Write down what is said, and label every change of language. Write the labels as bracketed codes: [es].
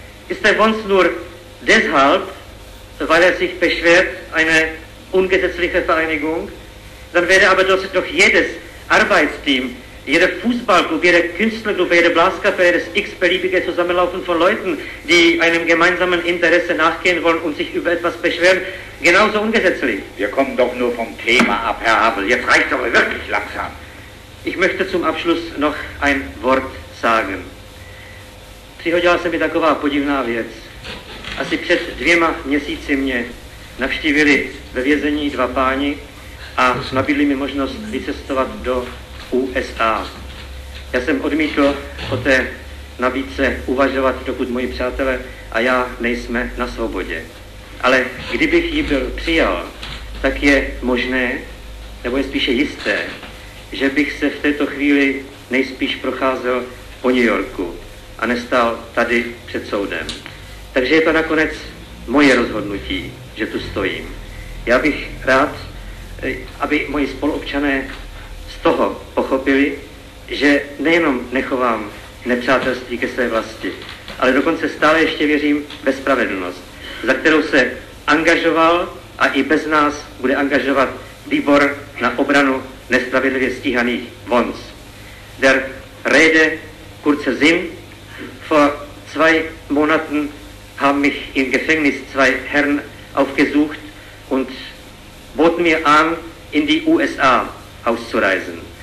[de] Ist der Wons nur deshalb, weil er sich beschwert, eine ungesetzliche Vereinigung, dann wäre aber doch jedes Arbeitsteam, jeder Fußballclub, jeder Künstlerclub, jeder Blaskapelle, das x-beliebige Zusammenlaufen von Leuten, die einem gemeinsamen Interesse nachgehen wollen und sich über etwas beschweren, genauso ungesetzlich. Wir kommen doch nur vom Thema ab, Herr Abel. Jetzt reicht es aber wirklich langsam. Ich möchte zum Abschluss noch ein Wort sagen. [cs] Přihodila se mi taková podivná věc. Asi před dvěma měsíci mě navštívili ve vězení dva páni a nabídli mi možnost vycestovat do USA. Já jsem odmítl o té nabídce uvažovat, dokud moji přátelé a já nejsme na svobodě. Ale kdybych ji byl přijal, tak je možné, nebo je spíše jisté, že bych se v této chvíli nejspíš procházel po New Yorku a nestál tady před soudem. Takže je to nakonec moje rozhodnutí, že tu stojím. Já bych rád, aby moji spoluobčané z toho pochopili, že nejenom nechovám nepřátelství ke své vlasti, ale dokonce stále ještě věřím ve spravedlnost, za kterou se angažoval a i bez nás bude angažovat výbor na obranu nespravedlivě stíhaných Wons. [de] Der Rede kurze Sinn, vor zwei Monaten haben mich im Gefängnis zwei Herren aufgesucht und boten mir an, in die USA auszureisen.